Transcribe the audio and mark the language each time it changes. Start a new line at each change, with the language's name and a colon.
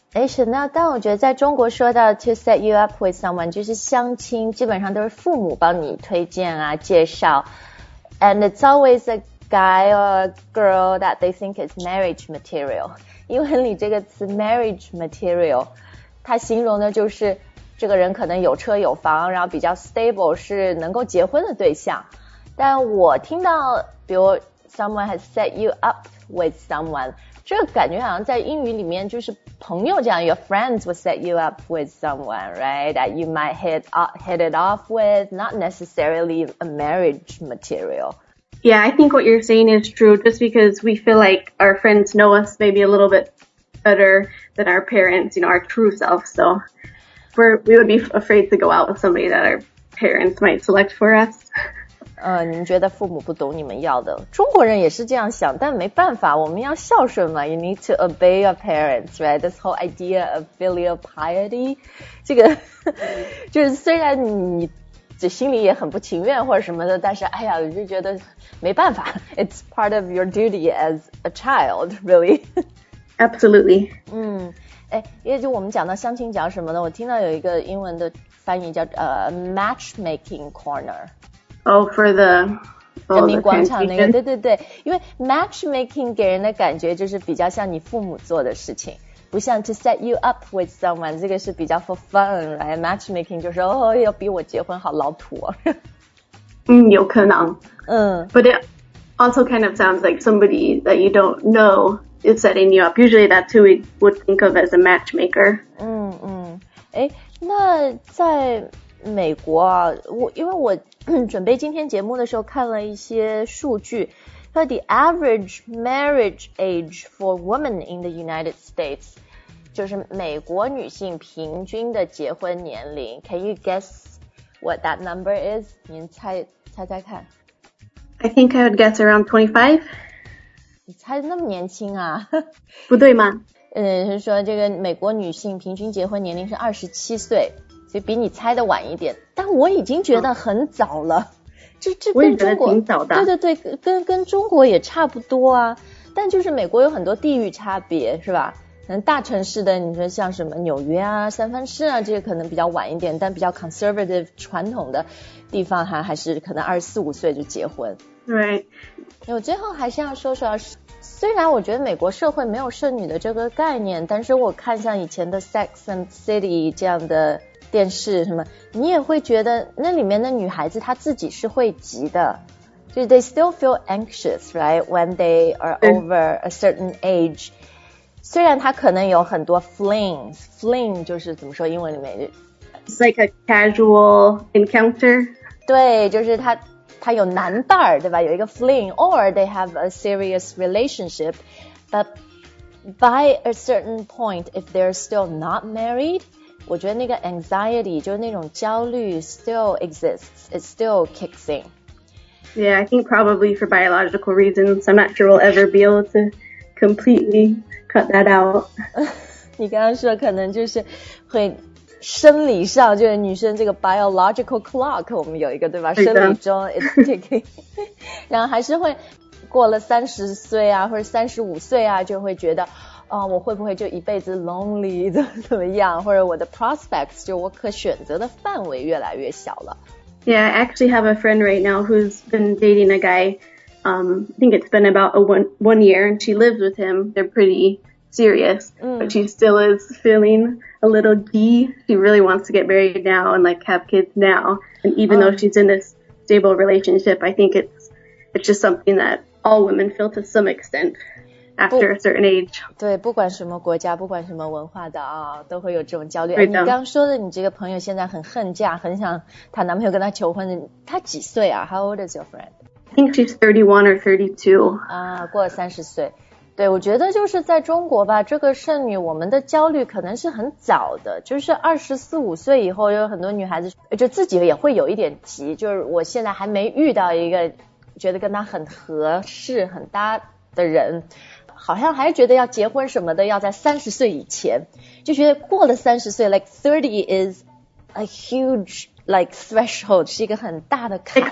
Chinese: 诶 Chanel 但我觉得在中国说到
English: to set you up with someone
Chinese: 就是相亲基本上都是父母帮你推荐啊介绍
English: And it's always a guy or a girl that they think is marriage material.
Chinese: 因为你这个词
English: marriage material,
Chinese: 它形容的就是这个人可能有车有房然后比较 stable 是能够结婚的对象。但我听到比如
English: someone has set you up with someone,
Chinese: 这个感觉好像在英语里面就是朋友讲
English: your friends will set you up with someone, right? That you might hit it off with, not necessarily a marriage material. Yeah, I think what you're saying is true, just because we feel like our friends know us maybe a little bit better than our parents, you know, our true self. So we would be afraid to go out with somebody that our parents might select for us.
Chinese: 你们觉得父母不懂你们要的，中国人也是这样想，但没办法，我们要孝顺嘛。
English: You need to obey your parents, right? This whole idea of filial piety,
Chinese: 这个就是虽然你这心里也很不情愿或者什么的，但是哎呀，就觉得没办法。
English: It's part of your duty as a child, really. Absolutely.
Chinese: 哎，因为就我们讲到相亲角什么的，我听到有一个英文的翻译叫matchmaking corner。
English: Oh, for the
Chinese: 人民广场那个，对对对，因为 matchmaking 给人的感觉就是比较像你父母做的事情，不像
English: to set you up with someone,
Chinese: 这个是比较
English: for fun, right?
Chinese: Matchmaking 就是哦，要逼我结婚，好老土哦。嗯，有可能。嗯。
English: But it also kind of sounds like somebody that you don't know is setting you up. Usually that's who we would think of as a matchmaker.
Chinese: 嗯嗯。哎，那在美国啊，因为我准备今天节目的时候看了一些数据，它的
English: average marriage age for women in the United States
Chinese: 就是美国女性平均的结婚年龄。
English: Can you guess what that number is?
Chinese: 您猜猜猜看。
English: I think I would guess around 25.
Chinese: 你猜那么年轻啊？不对吗？是说这个美国女性平均结婚年龄是27岁，就比你猜的晚一点，但我已经觉得很早了。这跟中国，我也觉得挺早的。对对对，跟中国也差不多啊。但就是美国有很多地域差别，是吧？可能大城市的，你说像什么纽约啊、三藩市啊，这些可能比较晚一点，但比较 conservative 传统的地方还是可能24、25岁就结婚。对。我最后还是要说说，虽然我觉得美国社会没有剩女的这个概念，但是我看像以前的 Sex and City 这样的电视什么，你也会觉得那里面的女孩子她自己是会急的，就是
English: they still feel anxious, right, when they are over a certain age.
Chinese: 虽然她可能有很多 fling 就是怎么说英文里面
English: It's like a casual encounter.
Chinese: 对，就是她有男伴儿，对吧，有一个
English: fling, or they have a serious relationship, but by a certain point, if they're still not married,
Chinese: 我觉得那个
English: anxiety
Chinese: 就是那种焦虑
English: still exists, it still kicks in. Yeah, I think probably for biological reasons, I'm not sure we'll ever be able to completely cut that out.
Chinese: 你刚刚说可能就是会生理上，就是女生这个 biological clock 我们有一个，对吧？对，生理钟
English: it's ticking.
Chinese: 然后还是会过了30岁啊或者35岁啊就会觉得哦，我会不会就一辈子 lonely 怎么样，或者我的 prospects 就我可选择的范围越来越小了。
English: Yeah, I actually have a friend right now who's been dating a guy, I think it's been about one year, and she lives with him. They're pretty serious, but she still is feeling a little gee. She really wants to get married now and like have kids now. And even though she's in this stable relationship, I think it's just something that all women feel to some extent. After a certain age.
Chinese: 对，不管什么国家，不管什么文化的啊，都会有这种焦虑。你刚说的你这个朋友现在很恨嫁，很想她男朋友跟她求婚，她几岁啊？
English: How old is your friend? I think she's 31 or 32.
Chinese: 啊，过了30岁。对，我觉得就是在中国吧，这个剩女我们的焦虑可能是很早的，就是24、25岁以后，有很多女孩子就自己也会有一点急，就是我现在还没遇到一个觉得跟她很合适很搭的人，好像还觉得要结婚什么的要在30岁以前，就觉得过了30岁
English: like 30 is a huge like threshold,
Chinese: 是一个很大的坎。